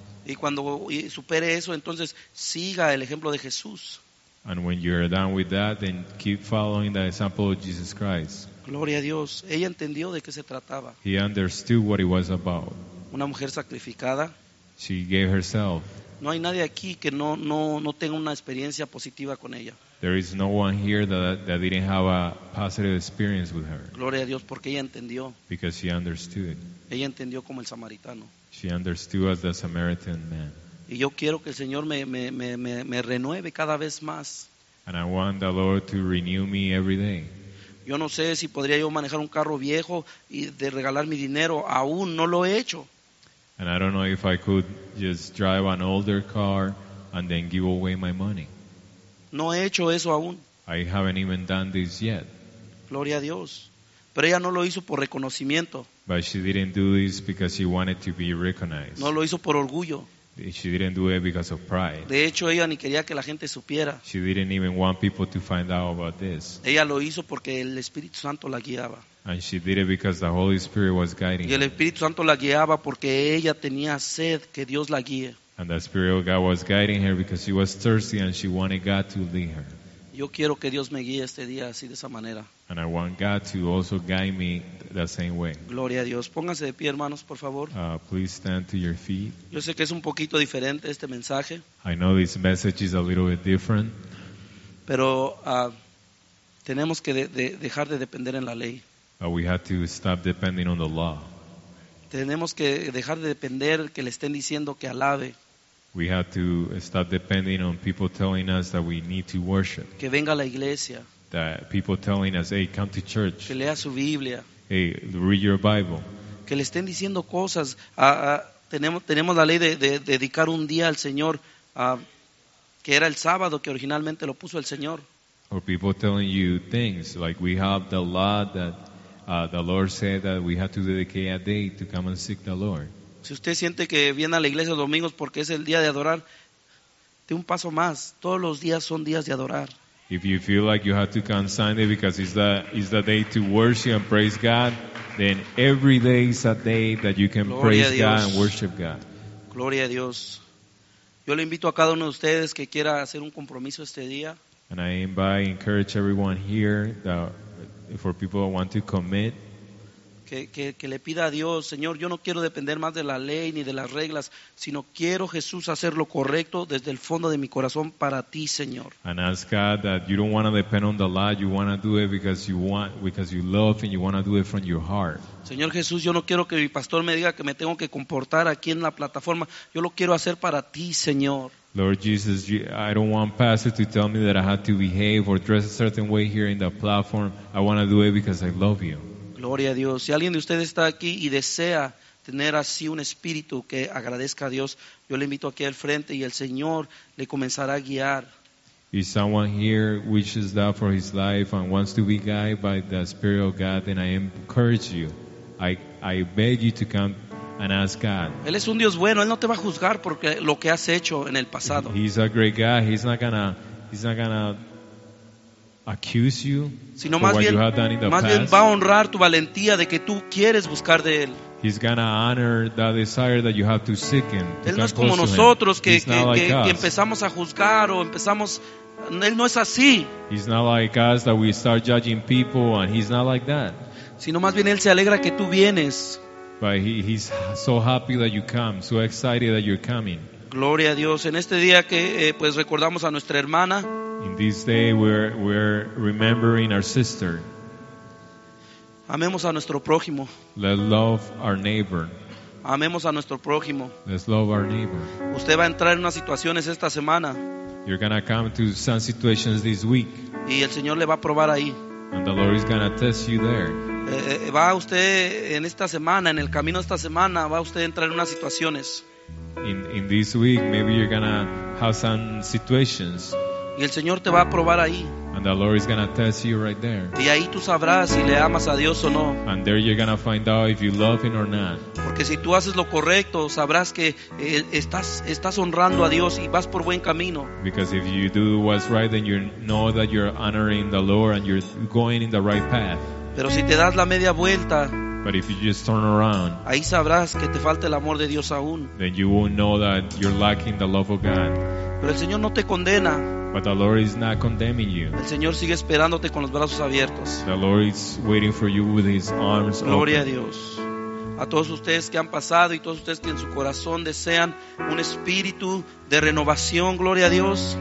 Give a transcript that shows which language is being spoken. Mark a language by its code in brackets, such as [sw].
[es] Y cuando supere eso, entonces siga el ejemplo de Jesús. [en] And when you're done with that, then keep following the example of Jesus Christ. [es] Gloria a Dios. Ella entendió de qué se trataba. [en] He understood what it was about. [es] Una mujer sacrificada. [en] She gave herself. [es] No hay nadie aquí que no tenga una experiencia positiva con ella. [en] There is no one here that didn't have a positive experience with her. [es] Gloria a Dios, porque ella entendió. [en] Because she understood. [es] Ella entendió como el samaritano. [en] She understood as the Samaritan man. [es] Y yo quiero que el Señor me renueve cada vez más. [en] And I want the Lord to renew me every day. [es] Yo no sé si podría yo manejar un carro viejo y de regalar mi dinero. Aún no lo he hecho. [en] And I don't know if I could just drive an older car and then give away my money. [es] No he hecho eso aún. [en] I haven't even done this yet. [es] Gloria a Dios. Pero ella no lo hizo por reconocimiento. [en] But she didn't do this because she wanted to be recognized. [es] No lo hizo por orgullo. [en] She didn't do it because of pride. [es] De hecho, ella ni quería que la gente supiera. [en] She didn't even want people to find out about this. [es] Ella lo hizo porque el Espíritu Santo la guiaba. [en] And she did it because the Holy Spirit was guiding her. [es] Y el Espíritu Santo la guiaba porque ella tenía sed que Dios la guíe. [en] And the Spirit of God was guiding her because she was thirsty and she wanted God to lead her. [es] Yo quiero que Dios me guíe este día así de esa manera. [en] And I want God to also guide me the same way. [es] Gloria a Dios. Pónganse de pie, hermanos, por favor. [en] Please stand to your feet. [es] Yo sé que es un poquito diferente este mensaje. [en] I know this message is a little bit different. [es] Pero tenemos que dejar de depender en la ley. [en] But we have to stop depending on the law. [es] Tenemos que dejar de depender que le estén diciendo que alabe. [en] We have to stop depending on people telling us that we need to worship. [es] Que venga a la iglesia. [en] That people telling us, hey, come to church. [es] Que lea su Biblia. [en] Hey, read your Bible. [es] Que le estén diciendo cosas. Tenemos la ley de dedicar un día al Señor, que era el sábado que originalmente lo puso el Señor. [en] Or people telling you things like we have the law that the Lord said that we have to dedicate a day to come and seek the Lord. [es] Si usted siente que viene a la iglesia los domingos porque es el día de adorar, dé un paso más. Todos los días son días de adorar. [en] If you feel like you have to come Sunday because it's the day to worship and praise God, then every day is a day that you can praise God and worship God. [es] Gloria a Dios. Yo le invito a cada uno de ustedes que quiera hacer un compromiso este día. [en] And I encourage everyone here that for people who want to commit. [es] Que le pida a Dios, Señor, yo no quiero depender más de la ley ni de las reglas, sino quiero, Jesús, hacer lo correcto desde el fondo de mi corazón para ti, Señor. [en] And ask God that you don't want to depend on the law, you want to do it because you love and you want to do it from your heart. [es] Señor Jesús, yo no quiero que mi pastor me diga que me tengo que comportar aquí en la plataforma, yo lo quiero hacer para ti, Señor. [en] Lord Jesus, I don't want pastor to tell me that I have to behave or dress a certain way here in the platform. I want to do it because I love you. [es] Gloria a Dios. Si alguien de ustedes está aquí y desea tener así un espíritu que agradezca a Dios, yo le invito aquí al frente y el Señor le comenzará a guiar. [en] If someone here wishes that for his life and wants to be guided by the Spirit of God, then I encourage you. I beg you to come and ask God. [es] Él es un Dios bueno. Él no te va a juzgar porque lo que has hecho en el pasado. [en] He's a great God. He's not gonna accuse you. [es] Sino más bien, va a honrar tu valentía de que tú quieres buscar de él. [en] He's gonna honor that desire that you have to seek him. [es] Él no es como nosotros que empezamos a juzgar o empezamos. Él no es así. [en] He's not like us that we start judging people, and he's not like that. [es] Sino más bien él se alegra que tú vienes. [en] But he's so happy that you come, so excited that you're coming. [es] Gloria a Dios. En este día que pues recordamos a nuestra hermana. [en] In this day we're remembering our sister. [es] Amemos a nuestro prójimo. [en] Let's love our neighbor. [es] Amemos a nuestro prójimo. [en] Let's love our neighbor. [es] Usted va a entrar en unas situaciones esta semana. [en] You're gonna come to some situations this week. [es] Y el Señor le va a probar ahí. [en] And the Lord is gonna test you there. [es] Va usted en esta semana, en el camino de esta semana, va usted a entrar en unas situaciones. [en] in this week, maybe you're gonna have some situations. [es] Y el Señor te va a probar ahí. [en] And the Lord is gonna test you right there. [es] Y ahí tú sabrás si le amas a Dios o no. [en] And there you're gonna find out if you love him or not. [es] Porque si tú haces lo correcto, sabrás que estás honrando a Dios y vas por buen camino. [en] Because if you do what's right, then you know that you're honoring the Lord and you're going in the right path. [es] Pero si te das la media vuelta, [en] but if you just turn around, [es] ahí sabrás que te falta el amor de Dios aún. [en] Then you won't know that you're lacking the love of God. [es] Pero el Señor no te condena. [en] But the Lord is not condemning you. [es] El Señor sigue esperándote con los brazos abiertos. [en] The Lord is waiting for you with his arms open. [es] Gloria a Dios. A todos ustedes que han pasado y todos ustedes que en su corazón desean un espíritu de renovación, gloria a Dios.